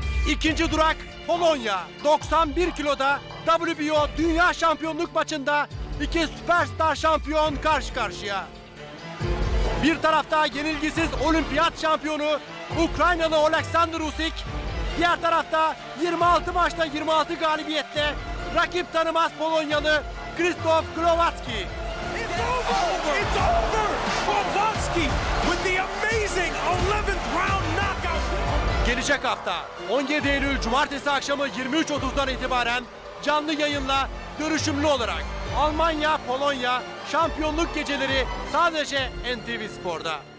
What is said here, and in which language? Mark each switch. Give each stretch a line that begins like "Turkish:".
Turkish: İkinci durak Polonya. 91 kiloda WBO dünya şampiyonluk maçında iki süperstar şampiyon karşı karşıya. Bir tarafta yenilgisiz olimpiyat şampiyonu Ukraynalı Oleksandr Usyk, diğer tarafta 26 maçta 26 galibiyetle rakip tanımaz Polonyalı Krzysztof Głowacki.
English: It's over! Głowacki with the amazing 11th round knockout!
Turkish: Gelecek hafta 17 Eylül Cumartesi akşamı 23.30'dan itibaren canlı yayınla görüşümlü olarak Almanya-Polonya şampiyonluk geceleri sadece NTV Spor'da.